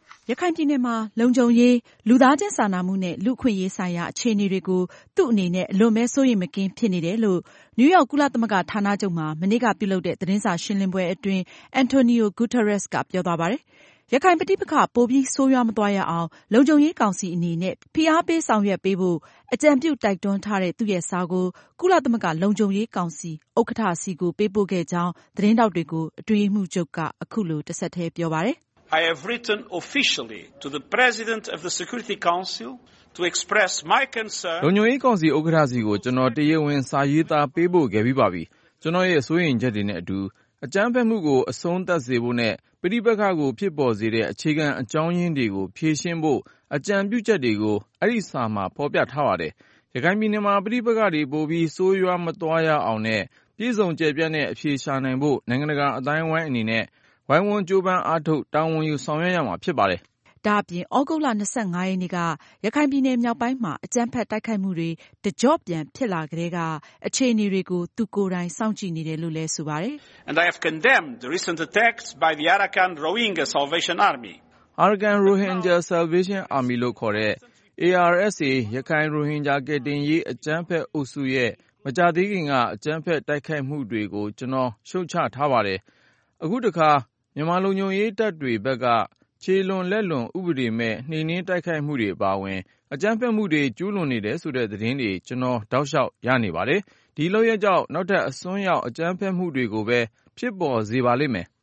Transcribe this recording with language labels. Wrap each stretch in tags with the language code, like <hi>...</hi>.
<my>ရခိုင်ပြည်နယ်မှာလုံခြုံရေးလူသားချင်းစာနာမှုနဲ့လူခွင့်ရေးဆိုင်ရာအခြေအနေတွေကိုသူ့အနေနဲ့အလွန်ပဲစိုးရိမ်မကင်းဖြစ်နေတယ်လို့နယူးယောက်ကုလသမဂ္ဂဌာနချုပ်မှာမနေ့ကပြုလုပ်တဲ့သတင်းစာရှင်းလင်းပွဲအတွင်းအန်တိုနီယိုဂူတာရက်စ်ကပြောသွားပါတယ်။ရခိုင်ပဋိပက္ခပိုပြီးဆိုးရွားမသွားရအောင်လုံခြုံရေးကောင်စီအနေနဲ့ဖိအားပေးဆောင်ရွက်ပေးဖို့အကြံပြုတိုက်တွန်းထားတဲ့သူ့ရဲ့စာကိုကုလသမဂ္ဂလုံခြုံရေးကောင်စီဥက္ကဋ္ဌစီကိုပေးပို့ခဲ့ကြောင်းသတင်းတောက်တွေကိုအတွေ့အမှုချုပ်ကအခုလိုတဆက်ထဲပြောပါတယ်။</my> <en>I have written officially to the President of the Security Council to express my concern.</en> <my>လုံခြုံရေးကောင်စီဥက္ကဋ္ဌစီကိုကျွန်တော်တရားဝင်စာရေးသားပေးပို့ခဲ့ပြီးပါပြီ။ကျွန်တော်ရဲ့စိုးရိမ်ချက်တွေနဲ့အတူအကြမ်းဖက်မှုကိုအဆုံးသတ်စေဖို့နဲ့ပြည်ပခန့်ကိုဖြစ်ပေါ်စေတဲ့အခြေခံအကြောင်းရင်းတွေကိုဖြေရှင်းဖို့အကြံပြုချက်တွေကိုအဲ့ဒီစာမှာဖော်ပြထားပါတယ်။ရခိုင်ပြည်နယ်မှာပြည်ပခန့်တွေပို့ပြီးဆိုးရွားမသွားရအောင်နဲ့ပြည်စုံကြေပြန့်တဲ့အဖြေရှာနိုင်ဖို့နိုင်ငံတကာအသိုင်းအဝိုင်းအနေနဲ့ဝိုင်းဝန်းကြိုးပမ်းအားထုတ်တာဝန်ယူဆောင်ရွက်ရမှာဖြစ်ပါတယ် ။ဒါ့အပြင်ဩဂုတ်လ25ရက်နေ့ကရခိုင်ပြည်နယ်မြောက်ပိုင်းမှာအကြမ်းဖက်တိုက်ခိုက်မှုတွေတကြော့ပြန်ဖြစ်လာကြတဲ့ကအခြေအနေတွေကိုသူကိုယ်တိုင်စောင့်ကြည့်နေတယ်လို့လည်းဆိုပါတယ်</my> <en>။ And I have condemned the recent attacks by the Arakan Rohingya Salvation Army.</en> <my>Arakan Rohingya Salvation Army လို့ခေါ်တဲ့ ARSA ရခိုင် Rohingya ကတင်ရေးအကြမ်းဖက်အုပ်စုရဲ့မကြသေးခင်ကအကြမ်းဖက်တိုက်ခိုက်မှုတွေကိုကျွန်တော်ရှုတ်ချထားပါတယ်။အခုတခါမြန်မာလူညုံရေးတပ်တွေဘက်ကခြေလွန်လက်လွန်ဥပဒေမဲ့နှိမ်နင်းတိုက်ခိုက်မှုတွေအပါအဝင်အကြမ်းဖက်မှုတွေကျူးလွန်နေတယ်ဆိုတဲ့သတင်းတွေကျွန်တော်တောက်လျှောက်ရနေပါတယ်ဒီလောက်ရကြောင့်နောက်ထပ်အစွန်းရောက်အကြမ်းဖက်မှုတွေကိုပဲဖြစ်ပေါ်စေပါလိမ့်မယ်</my>